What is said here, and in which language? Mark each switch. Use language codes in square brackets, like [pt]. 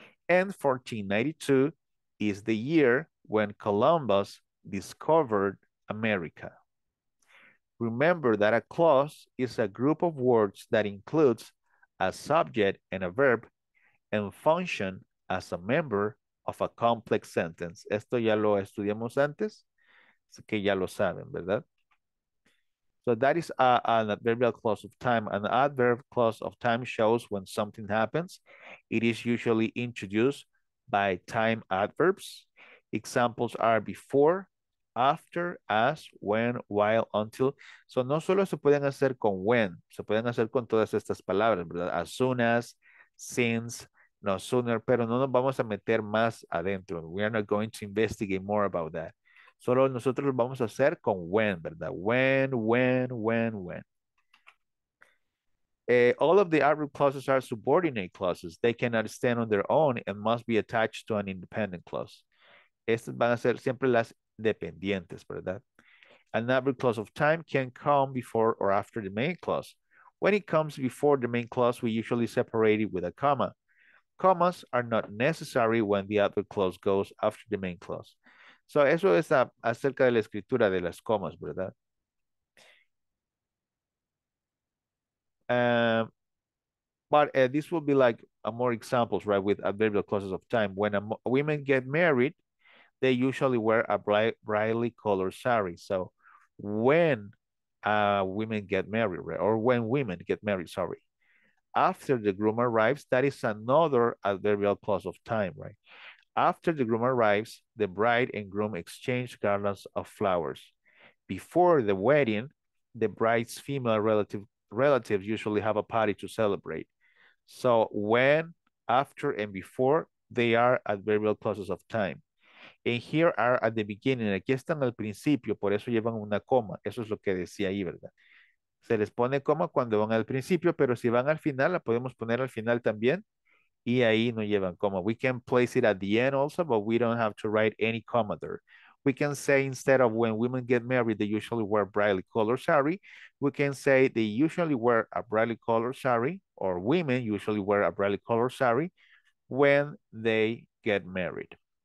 [en] And 1492 is the year when Columbus discovered America. Remember that a clause is a group of words that includes a subject and a verb and function as a member of a complex sentence. [es] Esto ya lo estudiamos antes, así que ya lo saben, ¿verdad? [en] So that is an adverbial clause of time. An adverb clause of time shows when something happens. It is usually introduced by time adverbs. Examples are before, after, as, when, while, until. [es] So no solo se pueden hacer con when, se pueden hacer con todas estas palabras, ¿verdad? [en] As soon as, since, no sooner, [es] pero no nos vamos a meter más adentro. [en] We are not going to investigate more about that. [es] Solo nosotros lo vamos a hacer con when, ¿verdad? [en] When. All of the adverb clauses are subordinate clauses. They cannot stand on their own and must be attached to an independent clause. [es] Estas van a ser siempre las dependientes, ¿verdad? [en] An adverb clause of time can come before or after the main clause. When it comes before the main clause, we usually separate it with a comma. Commas are not necessary when the adverb clause goes after the main clause. [es] So eso es acerca de la escritura de las comas, ¿verdad? [en] This will be like a more examples, right, with adverbial clauses of time. When women get married, they usually wear a brightly colored sari. So when women get married, right, or when women get married, sorry. After the groom arrives, that is another adverbial clause of time, right? After the groom arrives, the bride and groom exchange garlands of flowers. Before the wedding, the bride's female relatives usually have a party to celebrate. So when, after, and before, they are adverbial clauses of time. And here are at the beginning. [es] Aquí están al principio, por eso llevan una coma. Eso es lo que decía ahí, ¿verdad? Se les pone coma cuando van al principio, pero si van al final, la podemos poner al final también. Y ahí no llevan coma. [en] We can place it at the end also, but we don't have to write any comma there. We can say instead of when women get married, they usually wear brightly colored sari. We can say they usually wear a brightly colored sari, or women usually wear a brightly colored sari when they get married.